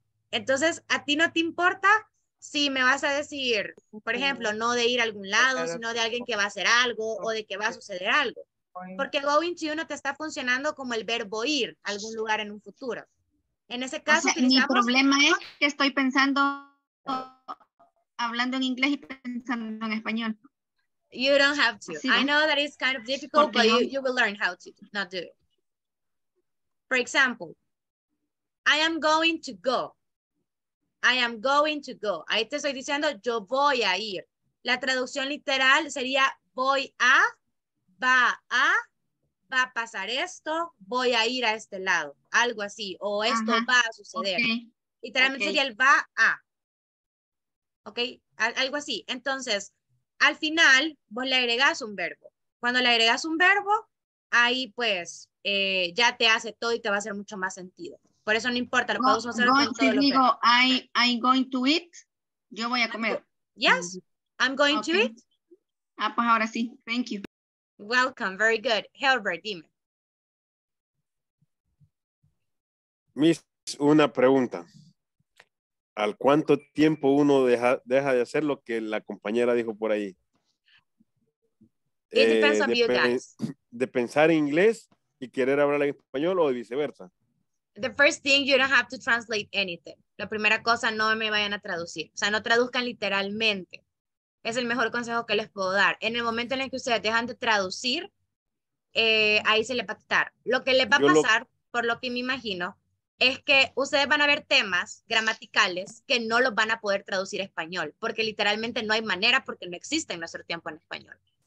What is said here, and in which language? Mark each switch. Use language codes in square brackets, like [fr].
[es] Entonces, ¿a ti no te importa si me vas a decir, por ejemplo, no de ir a algún lado, sino de alguien que va a hacer algo o de que va a suceder algo? Porque [en] going to [es] no te está funcionando como el verbo ir a algún lugar en un futuro. En ese caso, o sea, mi problema es que estoy pensando, hablando en inglés y pensando en español. [en] You don't have to. I know that it's kind of difficult, but you will learn how to not do it. For example, I am going to go. I am going to go. [es] Ahí te estoy diciendo, yo voy a ir. La traducción literal sería, voy a, va a, va a pasar esto, voy a ir a este lado. Algo así, o esto va a suceder. Okay. Literalmente sería el va a. ¿Ok? Algo así. Entonces, al final, vos le agregas un verbo. Cuando le agregas un verbo, ahí pues... ya te hace todo y te va a hacer mucho más sentido. Por eso no importa, lo podemos hacer con todo. Si digo, [en] I'm going to eat, [es] yo voy a comer. [en] Yes, I'm going to eat. [es] Ah, pues ahora sí, [en] thank you. Welcome, very good. Herbert, [es] dime. Miss, una pregunta. ¿Al cuánto tiempo uno deja de hacer lo que la compañera dijo por ahí? [en] It depends on you guys. [es] de pensar en inglés y querer hablar en español o de viceversa. [en] The first thing, you don't have to translate anything. [es] La primera cosa, no me vayan a traducir. O sea, no traduzcan literalmente. Es el mejor consejo que les puedo dar. En el momento en el que ustedes dejan de traducir, ahí se les va a quitar. Lo que les va a pasar, por lo que me imagino, es que ustedes van a ver temas gramaticales que no los van a poder traducir a español, porque literalmente no hay manera, porque no existe en nuestro tiempo en español.